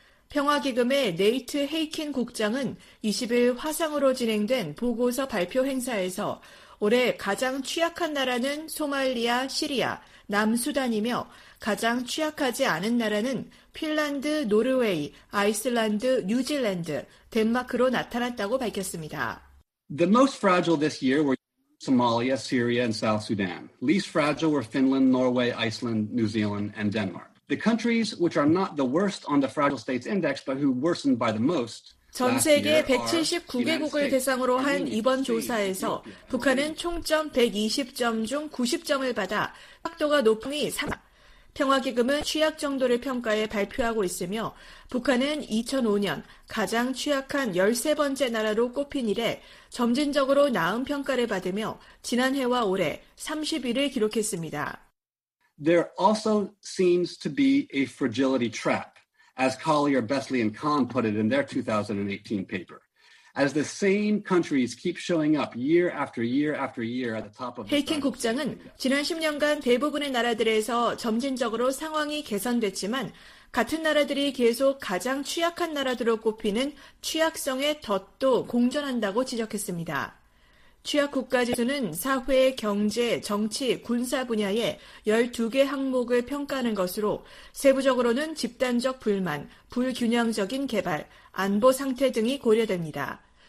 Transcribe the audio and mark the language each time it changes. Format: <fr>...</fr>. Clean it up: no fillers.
<ko>평화기금의 네이트 헤이킨 국장은 20일 화상으로 진행된 보고서 발표 행사에서 올해 가장 취약한 나라는 소말리아, 시리아, 남수단이며 가장 취약하지 않은 나라는 핀란드, 노르웨이, 아이슬란드, 뉴질랜드, 덴마크로 나타났다고 밝혔습니다.</ko> <en>The most fragile this year were Somalia, Syria, and South Sudan. Least fragile were Finland, Norway, Iceland, New Zealand, and Denmark. The countries which are not the worst on the Fragile States Index, but who worsened by the most.</en> <ko>전 세계 179개국을 대상으로 한 이번 조사에서 북한은 총점 120점 중 90점을 받아 확도가 높으니 평화기금은 취약 정도를 평가해 발표하고 있으며 북한은 2005년 가장 취약한 13번째 나라로 꼽힌 이래 점진적으로 나은 평가를 받으며 지난해와 올해 31위를 기록했습니다.</ko> <en>There also seems to be a fragility trap. As Collier, Besley, and Kahn put it in their 2018 paper, as the same countries keep showing up year after year after year at the top of the.</en> <ko>헤이킨 국장은 지난 10년간 대부분의 나라들에서 점진적으로 상황이 개선됐지만 같은 나라들이 계속 가장 취약한 나라들로 꼽히는 취약성의 덫도 공존한다고 지적했습니다. 취약국가 지수는 사회, 경제, 정치, 군사 분야의 12개 항목을 평가하는 것으로 세부적으로는 집단적 불만, 불균형적인 개발, 안보 상태 등이 고려됩니다.</ko>